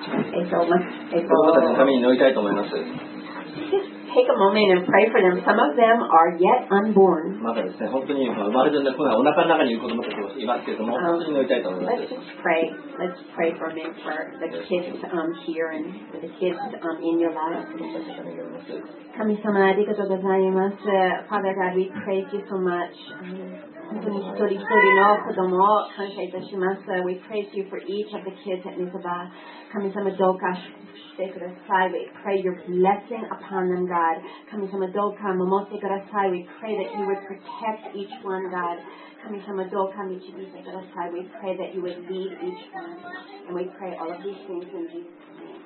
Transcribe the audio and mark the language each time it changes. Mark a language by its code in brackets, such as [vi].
[en] Take a moment and pray for them. Some of them are yet unborn. Let's pray for me, for the kids here and for the kids in your life. [ja] 神様ありがとうございます。 [en] Father God, we praise you so much. [ja] 本当に一人一人の子供を感謝いたします。 [en] We praise you for each of the kids at Mizabah. [ja] 神様どうか [en] We pray your blessing upon them, God. [ja] 神様どうか守ってください。 [en] We pray that you would protect each one, God. [ja] 神様どうか導いてください。 [en] We pray that you would lead each one. And we pray all of these things in Jesus' name.